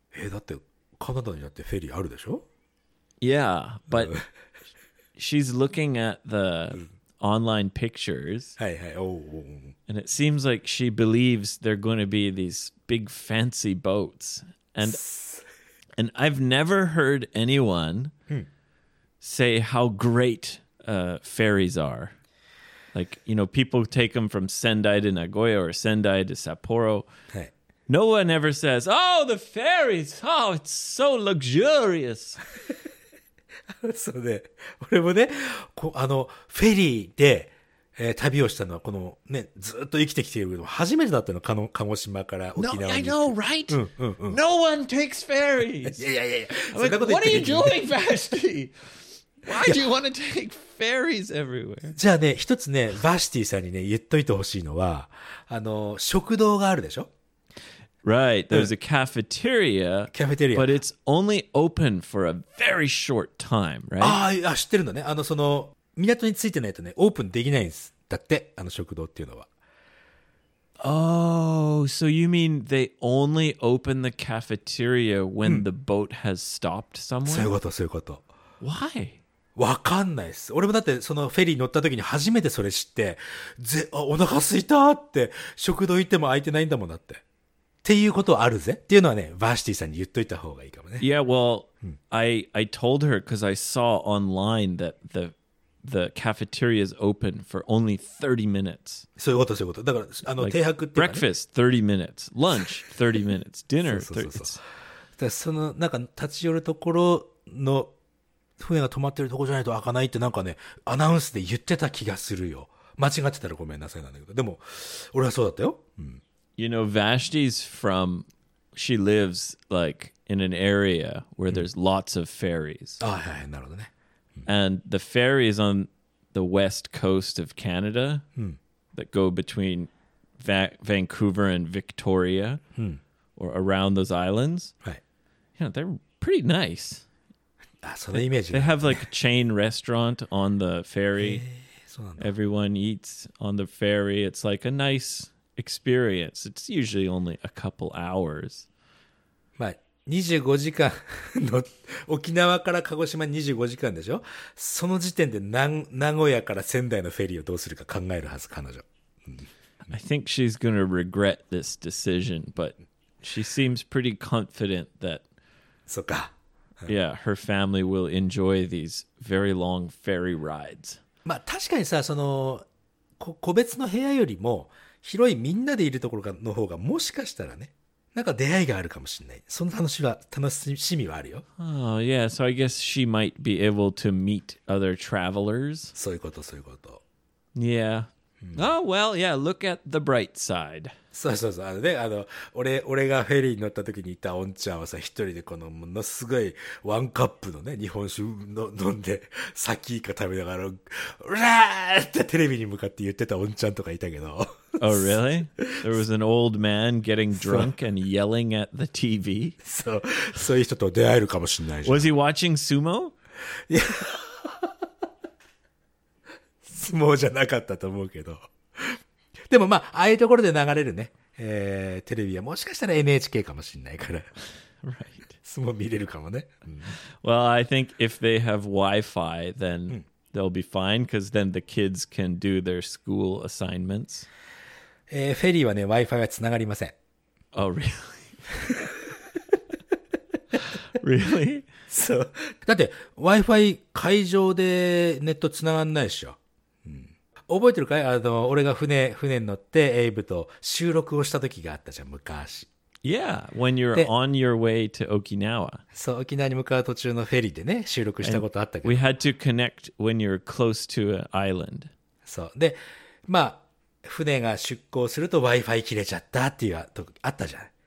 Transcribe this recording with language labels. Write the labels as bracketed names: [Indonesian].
[Japanese] だって、カナダにだってフェリーあるでしょ? [English] Yeah, but she's looking at the online pictures. [Japanese] はいはい、おう。 [English] And it seems like she believes they're going to be these big fancy boats. And I've never heard anyone say how great ferries are. Like, you know, people take them from Sendai to Nagoya or Sendai to Sapporo. No one ever says, oh, the ferries, oh, it's so luxurious. [Japanese] そうね。俺もね、フェリーで、旅をしたのは、このね、ずっと生きてきているのは初めてだったの、鹿児島から沖縄に。 [English] No, I know, right? うんうんうん。No one takes ferries! [Japanese] いやいやいや、そんなこと言ってない。 [English] What are you doing, Vashti? Why do you want to take ferries everywhere? [Japanese] じゃあね、一つね、Vashtiさんにね、言っといてほしいのは、食堂があるでしょ? [English] Right, there's a cafeteria, cafeteria, but it's only open for a very short time, right? [Japanese] ああ、知ってるんだね。その、港に着いてないとね、オープンできないんです。だって、食堂っていうのは。 [English] Oh, so you mean they only open the cafeteria when the boat has stopped somewhere? [Japanese] そういうこと、そういうこと。 [English] Why? [Japanese] わかんないっす。俺もだってそのフェリー乗った時に初めてそれ知って、お腹すいたって、食堂行っても空いてないんだもんだって。っていうことあるぜっていうのはね、バーシティさんに言っといた方がいいかもね。 [English] Yeah, well,、I told her because I saw online that the cafeteria is open for only 30 minutes. [Japanese] そういうこと、そういうこと。だから、停泊っていうか、ね。 [English] Breakfast, 30 minutes. Lunch, 30 minutes. Dinner, 30 minutes. [Japanese] その、なんか、立ち寄るところの船が止まってるところじゃないと開かないってなんかね、アナウンスで言ってた気がするよ。間違ってたらごめんなさいなんだけど。でも、俺はそうだったよ。うん。 [English] You know, Vashti's from, she lives like in an area where there's lots of ferries. Ah, yeah, yeah, [Japanese] なるほどね。 [English] And the ferries on the west coast of Canada that go between Vancouver and Victoria or around those islands, right. You know, they're pretty nice. Ah, so the image. They have like a chain restaurant on the ferry. Everyone eats on the ferry. It's like a nice... experience. It's usually only a couple hours. [Japanese] まあ、25時間の沖縄から鹿児島25時間でしょ。その時点で名古屋から仙台のフェリーをどうするか考えるはず彼女。 [English] I think she's gonna regret this decision, but she seems pretty confident that. [Japanese] そうか。 [English] Yeah, her family will enjoy these very long ferry rides. [Japanese] まあ確かにさ、個別の部屋よりも。広いみんなでいるところの方がもしかしたらね、なんか出会いがあるかもしれない。その楽しみはあるよ。 [English] Oh, yeah, so I guess she might be able to meet other travelers. [Japanese] そういうこと、そういうこと。 [English] Yeah.、うん、oh, well, yeah, look at the bright side. [Japanese] そうそうそう。俺がフェリーに乗った時にいたおんちゃんはさ、一人でこのものすごいワンカップのね、日本酒の飲んで、サキイカ食べながら、うらーってテレビに向かって言ってたおんちゃんとかいたけど、 [English] Oh, really? There was an old man getting drunk and yelling at the TV? [Japanese] そういう人と出会えるかもしれないじゃん。 [English] Was he watching sumo? [Japanese] いや、相撲じゃなかったと思うけど。でもまあ、ああいうところで流れるね、テレビはもしかしたら NHK かもしれないから。 [English] Right. [Japanese] 相撲見れるかもね。 [English] Well, I think if they have Wi-Fi, then they'll be fine, because then the kids can do their school assignments. [Japanese] フェリーはね、Wi-Fi はつながりません。 [English] Oh, really? really? [Japanese] そう。だって、Wi-Fi 会場でネットつながんないでしょ。うん、覚えてるかい俺が船に乗って、エイブと収録をした時があったじゃん、昔。 [English] Yeah, when you're on your way to Okinawa. [Japanese] そう、沖縄に向かう途中のフェリーでね、収録したことあったけど。 [English] And、we had to connect when you're close to an island. [Japanese] そう。で、まあ、船が出航すると Wi-Fi 切れちゃったっていうとあったじゃん。